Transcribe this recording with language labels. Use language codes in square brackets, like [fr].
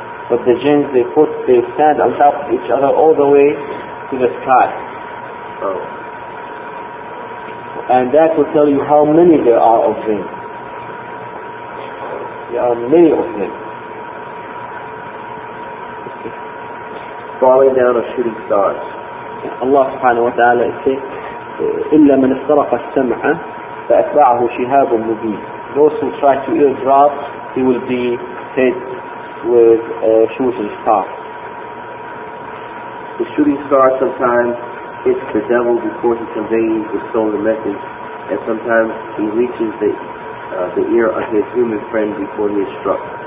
[en] But the jinns, they stand on top of each other all the way to the sky. Oh. And that will tell you how many there are of jinns. There are many of them. Falling down of shooting stars. [ar] Allah subhanahu wa ta'ala says, إِلَّا مَنْ اسْتَرَقَ السَّمْعَ فَأَتْبَعَهُ شِهَابٌ مُبِينٌ. [en] Those who try to eavesdrop, he will be hit with a shooting star. The shooting star sometimes hits the devil before he conveys the stolen message, and sometimes he reaches the ear of his human friend before he is struck.